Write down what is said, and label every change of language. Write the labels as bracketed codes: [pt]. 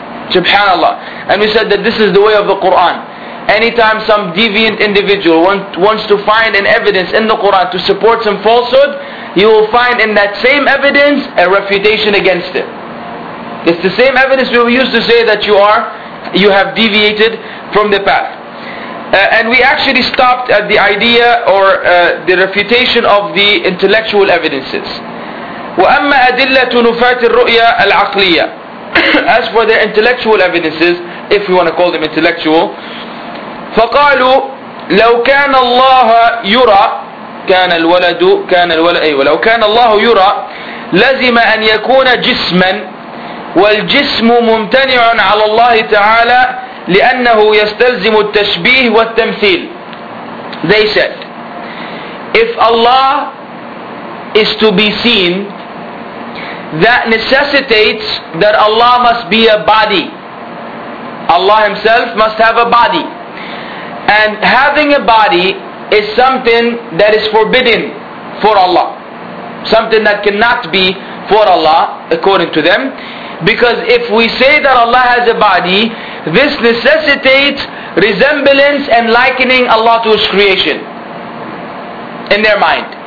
[en] Subhanallah. And we said that this is the way of the Quran. Anytime some deviant individual wants to find an evidence in the Quran to support some falsehood, you will find in that same evidence a refutation against it. It's the same evidence we will use to say that you have deviated from the path. And we actually stopped at the idea or the refutation of the intellectual evidences. [ar] وَأَمَّا أَدِلَّةُ نُفَاتِ الرُّؤْيَةِ الْعَقْلِيَةِ [en] As for the intellectual evidences, if we want to call them intellectual, [ar] فَقَالُوا لَوْ كَانَ اللَّهَ يُرَى كَانَ الْوَلَدُ كَانَ الْوَلَدُ أيوة لَوْ كَانَ اللَّهُ يُرَى لَزِمَ أَنْ يَكُونَ جِسْمًا وَالْجِسْمُ مُمْتَنِعٌ عَلَى اللَّهِ تَعَالَى لِأَنَّهُ يَسْتَلْزِمُ التَّشْبِيهِ وَالتَّمْثِيلِ [en] They said, if Allah is to be seen, that necessitates that Allah must be a body. Allah Himself must have a body. And having a body is something that is forbidden for Allah. Something that cannot be for Allah, according to them. Because if we say that Allah has a body, this necessitates resemblance and likening Allah to His creation in their mind.